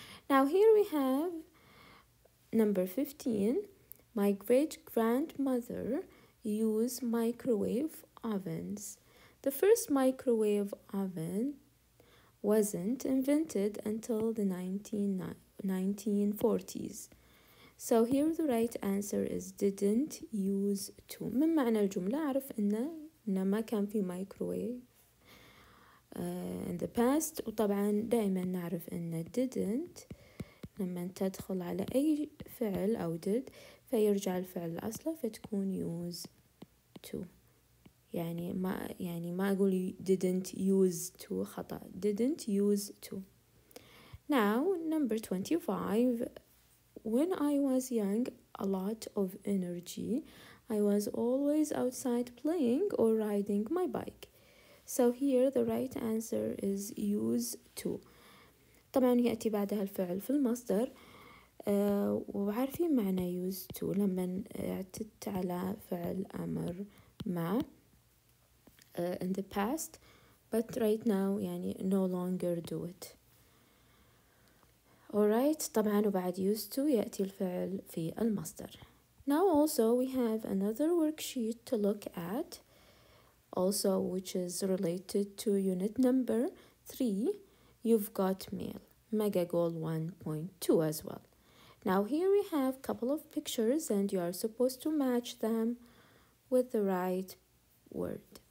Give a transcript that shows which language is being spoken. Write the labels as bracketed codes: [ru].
[en] Now here we have number 15. My great grandmother used microwave ovens. The first microwave oven wasn't invented until the 1940s. So here the right answer is didn't use to. [ar] من معنى الجملة أعرف إنه ما كان في [en] microwave in the past. [ar] وطبعا دائما نعرف إنه didn't لما تدخل على أي فعل أو did فيرجع الفعل الأصلي فتكون [en] use to. [ar] يعني ما أقول [en] didn't use to [ar] خطأ. [en] Didn't use to. Now number 25. When I was young, a lot of energy. I was always outside playing or riding my bike. So here the right answer is use to. [ar] طبعا يأتي بعدها الفعل في المصدر. وعارفين معنى [en] use to [ar] لما اعتدت على فعل أمر ما [en] in the past. But right now, [ar] يعني [en] no longer do it. [ar] Alright, طبعا وبعد used to يأتي الفعل في المصدر. [en] Now also we have another worksheet to look at, also which is related to unit number 3. You've got mail, mega goal 1.2 as well. Now here we have couple of pictures and you are supposed to match them with the right word.